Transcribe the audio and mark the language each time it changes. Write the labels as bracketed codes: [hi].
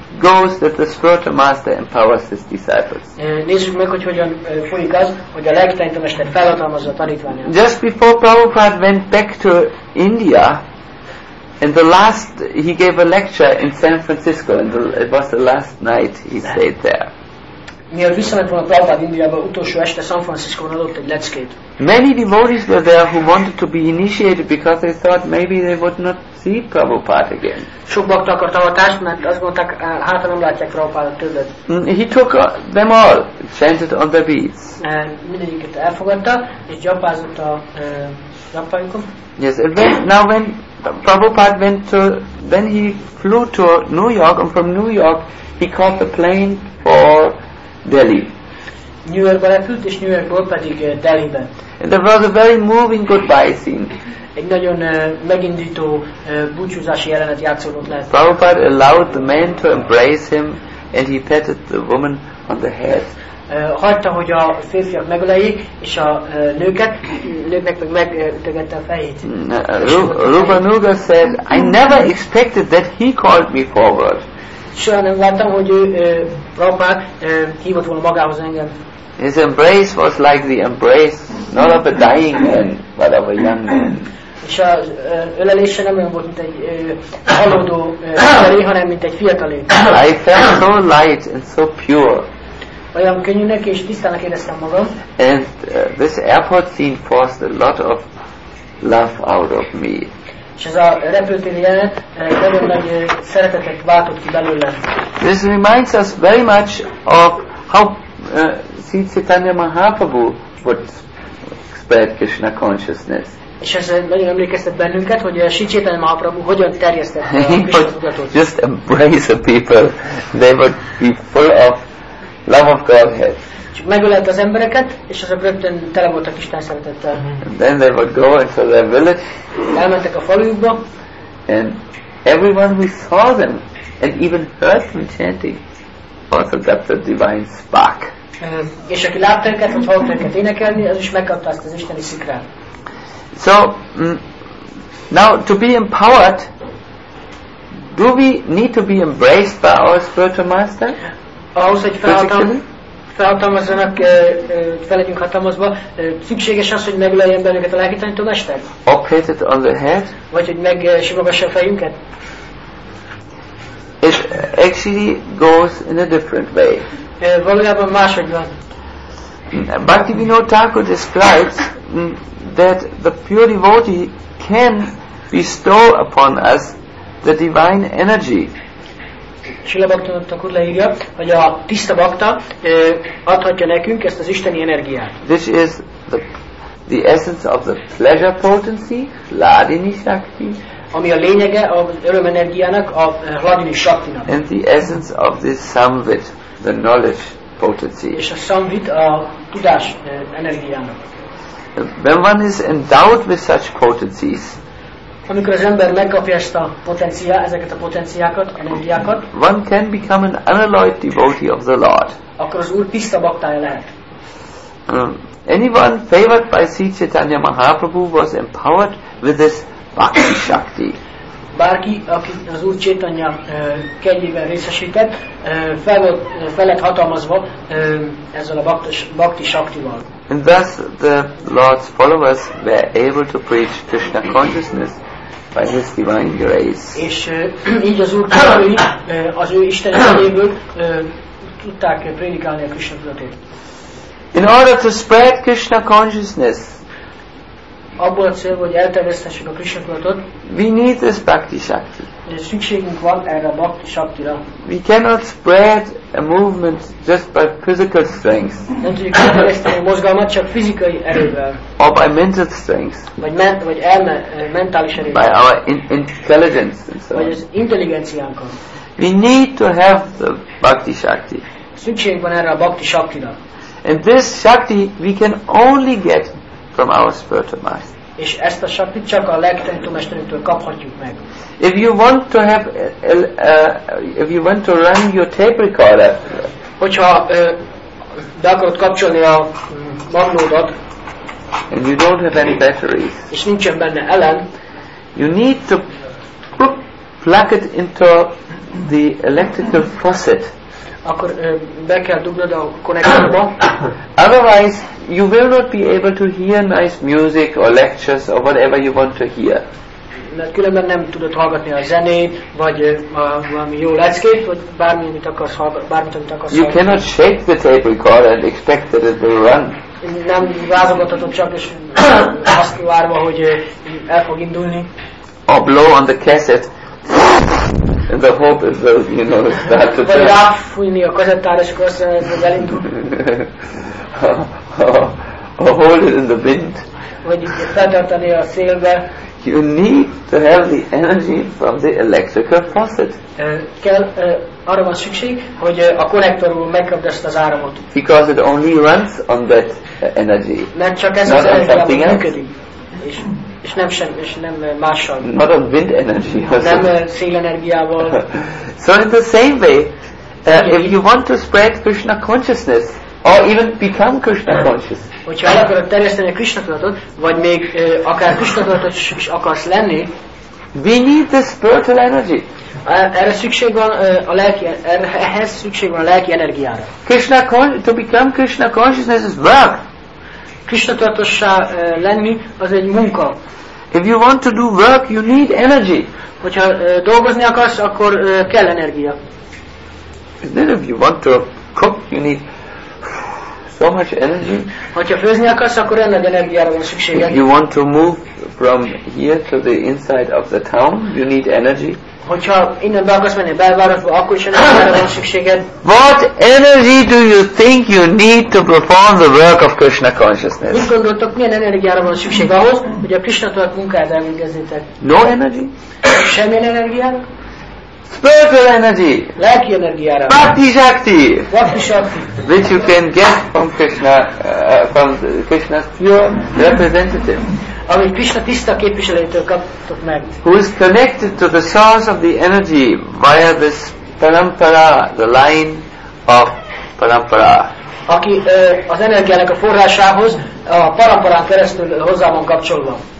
[en] goes that the spiritual master empowers his disciples. [hu] Nézzük meg, hogy hogyan folyik az, hogy a legtöbb mester felhatalmazza a tanítványát. [en] Just before Prabhupada went back to India, and the last he gave a lecture in San Francisco, and it was the last night he stayed there. [hu] Mielőtt visszament volna Prabhupada Indiába, utolsó este San Francisco-n adott egy leckét. [en] Many devotees were there who wanted to be initiated because they thought maybe they would not see Prabhupada again. [hu] Sok bakta akart avatást, mert azt mondták, hát nem látják Prabhupádat többet. [en] He took them all, chanted on the beads. [hu] Mindegyiket elfogadta, és gyapázott a lapjukon. [en] Yes, and then, now when Prabhupada went to, then he flew to New York, and from New York he caught the plane for Delhi. [hu] New York repült, és New Yorkból pedig Delhibe. [en] And there was a very moving goodbye scene. [hu] Egy nagyon megindító búcsúzási jelenet játszódott le. [en] Prabhupada allowed the man to embrace him, and he patted the woman on the head. [hu] Hagyta, hogy a férfiak megöleljék, és a nőket, nőknek meg megütögette a fejét. [en] Rupanuga said, I never expected that he called me forward. [hu] Soha nem láttam, hogy ő Prabhupád hívott volna magához engem. [en] His embrace was like the embrace, not of a dying man, but of a young man. [hu] És az ölelése nem olyan volt, mint egy halódó emberé, hanem mint egy fiatalé. [en] I felt so light and so pure. [hu] Olyan könnyűnek és tisztának éreztem magam. [en] And this airport scene forced a lot of love out of me. [hu] És ez a repülőtéri jelenet nagyon nagy szeretetet váltott ki belőlem. [en] This reminds us very much of how Sri Chaitanya Mahaprabhu would spread Krishna consciousness. [hu] És ez nagyon emlékeztet bennünket, hogy Sri Chaitanya Mahaprabhu hogyan terjesztette a Krishna tudatot. [en] Just embrace the people, they would be full of love of Godhead. [hu] Csak megölelt az embereket, és azok rögtön tele voltak Isten szeretettel. [en] And then they would go into their village. [hu] Elmentek a falujukba. [en] And everyone who saw them, and even heard them chanting, was adept a divine spark. [hu] És aki látta őket, vagy hallott őket énekelni, az is megkapta azt az isteni szikrát. [en] So, now to be empowered, do we need to be embraced by our spiritual master? [hu] Ahhoz, hogy felhatalmazzanak, fel legyünk hatalmazva, szükséges az, hogy megüleljen bennünket a lelki tanító mester? [en] Or pat it on the head? [hu] Vagy hogy megsimogassa a fejünket? [en] It actually goes in a different way. [hu] Valójában máshogy van. [en] Bhaktivinoda Thakur describes that the pure devotee can bestow upon us the divine energy. [hu] Srila Bhaktivinoda Thakur leírja, hogy a tiszta bhakta adhatja nekünk ezt az isteni energiát. [en] This is the essence of the pleasure potency, Ladini Shakti. [hu] Ami a lényege az öröm energiának, a Ladini Shaktinak. [en] And the essence of this Samvit, the knowledge potency. [hu] És a Samvit a tudás energiának. [en] When one is endowed with such potencies, [hu] amikor az ember megkapja ezt a potenciát, ezeket a potenciákat, energiákat, [en] one can become an unalloyed devotee of the Lord. [hu] Akkor az Úr tiszta baktája lehet. [en] Anyone favored by Sri Chaitanya Mahaprabhu was empowered with this bhakti shakti. [hu] Bárki, aki az Úr Chaitanya kegyében részesített, fel lett hatalmazva ezzel a bhakti shaktival. [en] And thus the Lord's followers were able to preach Krishna consciousness by His divine grace. [hu] És így az Úr tanítói az ő Isten erejéből tudták prédikálni a Krishna tudatot. [en] In order to spread Krishna consciousness, [hu] abból a cél, hogy elterjesztessük a Krishna tudatot, [en] we need this bhakti shakti. [hu] Szükségünk van erre a bhakti shaktira. [en] We cannot spread a movement just by physical strength. [hu] Nem tudjuk elterjeszteni a mozgalmat csak fizikai erővel. [en] Or by mental strength. [hu] Vagy mentális erővel. [en] By our intelligence and so on. [hu] Vagy az intelligenciánkon. [en] We need to have the bhakti shakti. [hu] Szükségünk van erre a bhakti shaktira. [en] And this shakti we can only get from our spiritual master. [hu] És ezt a shaktit csak a legtöbb mesterünktől kaphatjuk meg. [en] If you want to have if you want to run your tape recorder, [hu] hogyha be akarod kapcsolni a magnódat, [en] and you don't have any batteries, [hu] és nincsen benne ellen, [en] you need to plug it into the electrical faucet. [hu] Akkor be kell dugnod a konnektorba. [en] Otherwise, you will not be able to hear nice music or lectures or whatever you want to hear. [hu] Mert különben nem tudod hallgatni a zenét, vagy valami jó leckét, vagy bármit akarsz hallgatni, bármit, amit akarsz. [en] You cannot shake the tape recorder and expect that it will run. [hu] Nem rázogathatod csak, és azt várva, hogy el fog indulni. [en] Or blow on the cassette. And the hope is that, you know, start to turn. [hu] Vagy ráfújni a kazettára, és akkor azt mondja, hogy elindul. [en] Or hold it in the wind. [hu] Vagy feltartani a szélbe. [en] You need to have the energy from the electrical faucet. [hu] Kell, arra van szükség, hogy a konnektorból megkapd ezt az áramot. [en] Because it only runs on that energy. [hu] Mert csak ez az energia működik. És nem sem, és nem mással. [en] Not on wind energy. [hu] Nem szélenergiával. [en] So in the same way, if you want to spread Krishna consciousness, or even become Krishna conscious. [hu] Hogyha el akarod terjeszteni a Krishna tudatot, vagy még akár Krishna tudatot is akarsz lenni, [en] we need the spiritual energy. [hu] Erre szükség van a lelki, ehhez szükség van a lelki energiára. [en] Krishna to become Krishna consciousness is work. [hu] Krishna tudatossá lenni az egy munka. [en] If you want to do work, you need energy. [hu] Hogyha dolgozni akarsz, akkor kell energia. [en] And then if you want to cook, you need so much energy. [hu] Hogyha főzni akarsz, akkor ennek energiára van szükséged. [en] If you want to move from here to the inside of the town, you need energy. [hu] Hogyha innen be akarsz menni a belvárosba, akkor is energiára van szükséged. [en] What energy do you think you need to perform the work of Krishna consciousness? [hu] Mit gondoltok, milyen energiára van szükség ahhoz, hogy a Krishna tudat munkáját elvégezzétek? [en] No energy. [hu] Semmilyen energiára? [en] Spiritual energy, [hu] lelki energiára, [en] bhakti shakti, which you can get from Krishna, from Krishna's pure representative. [hu] Ami Krishna tiszta képviselőtől kaptok meg. [en] Who is connected to the source of the energy via this parampara, the line of parampara. [hu] Aki az energiának a forrásához a paramparán keresztül hozzá van kapcsolva.